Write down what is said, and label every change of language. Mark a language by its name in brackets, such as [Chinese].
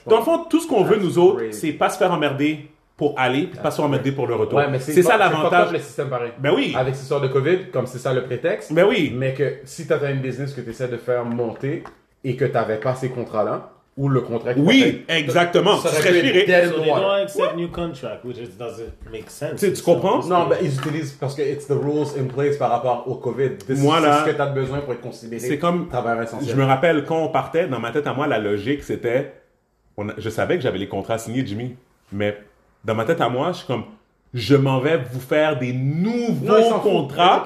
[French] Dans le fond, tout ce qu'on veut, nous autres, c'est pas se faire emmerder pour aller, puis pas se faire emmerder pour le retour. Ouais, mais c'est pas, ça l'avantage. C'est pas comme le système pareil. Ben oui. Avec cette histoire de COVID, comme c'est ça le prétexte. Ben oui. Mais que si t'as un business que t'essaies de faire monter et que t'avais pas ces contrats-là. Ou le contrat. Oui, exactement. Ça serait viré. [English] So they don't accept new contract, which doesn't make sense. [French] Tu sais, tu comprends? Non, mais ils utilisent parce que [English] it's the rules in place [French] par rapport au COVID. This voilà. C'est ce que tu as besoin pour être considéré. C'est comme, je me rappelle quand on partait, dans ma tête à moi, la logique, c'était, je savais que j'avais les contrats signés, Jimmy, mais dans ma tête à moi, je suis comme, je m'en vais vous faire des nouveaux contrats.